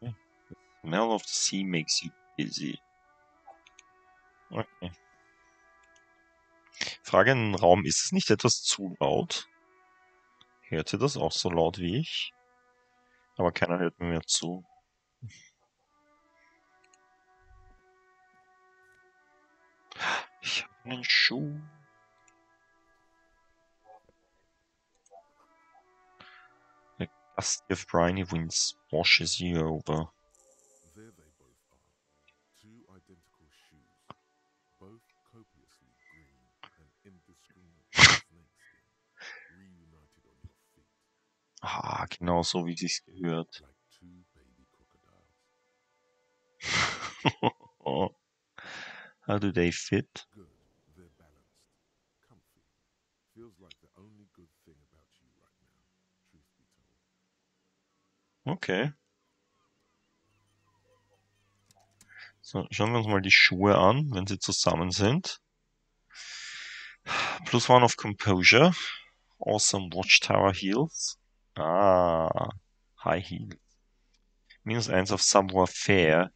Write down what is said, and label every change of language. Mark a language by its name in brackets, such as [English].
[English] The smell of the sea makes you dizzy. Okay. [German] Frage in den Raum: Ist es nicht etwas zu laut? Hört ihr das auch so laut wie ich? Aber keiner hört mir mehr zu. Ich habe einen Schuh. [English] If briny winds washes you over. There they both are, two identical shoes, both copiously green and indiscriminate snake skin, reunited on your feet. [German] Ah, genau so wie sich's gehört. [English] Like two baby crocodiles. How do they fit? Good. They're balanced, comfy. Feels like the only good thing about you right now. Okay. [German] So, schauen wir uns mal die Schuhe an, wenn sie zusammen sind. [English] Plus one of composure. Awesome Watchtower Heels. [German] Ah, High Heels. Minus eins auf Savoir Faire.